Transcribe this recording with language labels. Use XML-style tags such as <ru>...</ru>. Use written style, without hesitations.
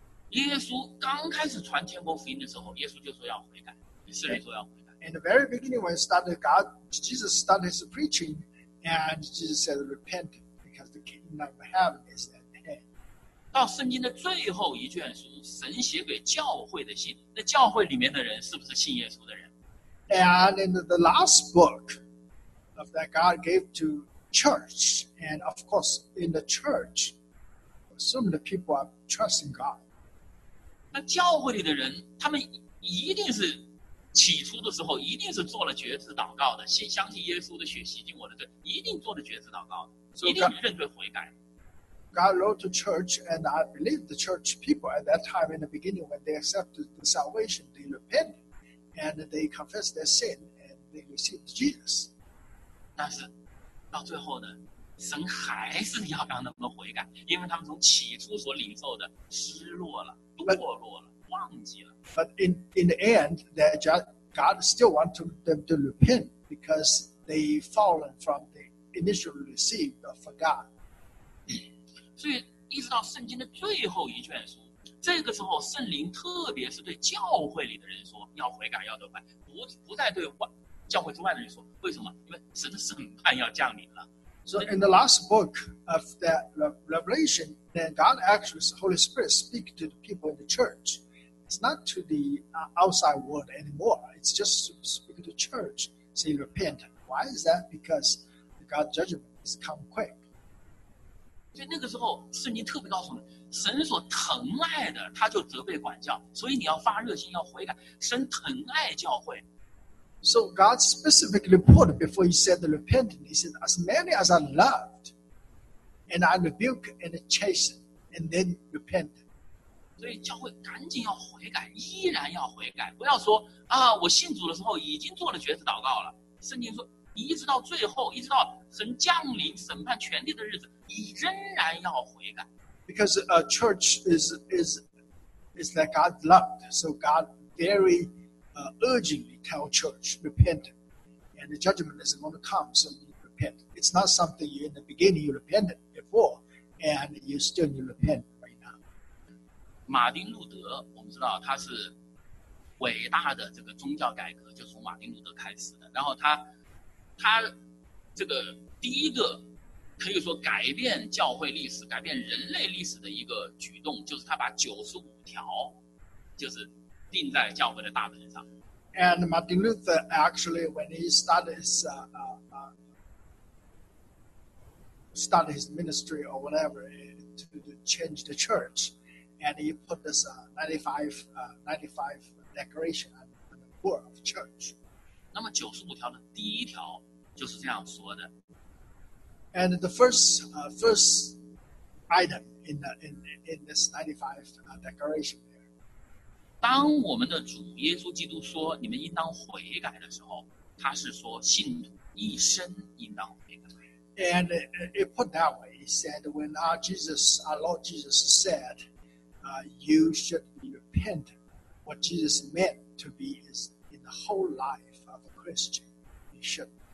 <zh>耶稣刚开始传天国福音的时候，耶稣就说要悔改，以色列说要悔改。</zh> <en>In the very beginning, when Jesus started his preaching, and Jesus said, "Repent, because the kingdom of heaven is at hand."</en> <zh>到圣经的最后一卷书，神写给教会的信，那教会里面的人是不是信耶稣的人？</zh> <en>And in the last book of that God gave to church, and of course, in the church, so many people are trusting God.</en> <zh>那教会里的人，他们一定是。起初的时候一定是做了决志祷告的，相信耶稣的血洗净我的罪，一定做了决志祷告的，一定认罪悔改。</zh> <en>God wrote to church, and I believe the church people at that time in the beginning when they accepted the salvation, they repent, and they confess their sin, and they received Jesus.</en> <zh>但是到最后呢，神还是要让他们悔改，因为他们从起初所领受的失落了，堕落了。</zh> <en>But in the end, God still wants them to repent because they fallen from the initial received of God.</en> <zh>所以一直到圣经的最后一卷书，这个时候圣灵特别是对教会里的人说要悔改要得救，不再对教会之外的人说。为什么？因为神的审判要降临了。</zh> <en>So in the last book of that Revelation, then God actually, the Holy Spirit, speak to the people in the church. It's not to the outside world anymore. It's just to speak to the church, say repent. Why is that? Because the God's judgment is come quick.</en> <zh>所以那个时候圣经特别告诉我们，神所疼爱的他就责备管教，所以你要发热心，要悔改。神疼爱教会。</zh> <en>So God specifically put before he said the repentance, he said, as many as I loved, and I rebuke and chasten, and then repent.</en> <zh>所以教会赶紧要悔改，依然要悔改，不要说啊，我信主的时候已经做了决志祷告了。圣经说，你一直到最后，一直到神降临审判权力的日子，你仍然要悔改。</zh> <en>Because a church is that God loved, so God very urgently tell church, repent. And the judgment is going to come, so you repent. It's not something you, in the beginning, you repented before, and you still need to repent right now.</en> <zh>马丁路德，我们知道他是伟大的这个宗教改革，就从马丁路德开始的。然后他这个第一个可以说改变教会历史、改变人类历史的一个举动，就是他把95条，就是定在教会的大门上。</zh> <en>And Martin Luther actually, when he started his ministry or whatever to change the church, and he put this 95 decoration on the door of church.</en> <zh>那么九十五条的第一条就是这样说的。</zh> <en>And the first item in this 95 decoration.</en> <zh>当我们的主耶稣基督说你们应当悔改的时候，他是说信徒一生应当悔改。</zh> <en>And it put that way, he said, when our Lord Jesus said, you should repent, what Jesus meant to be is in the whole life of a Christian, you should repent.</en>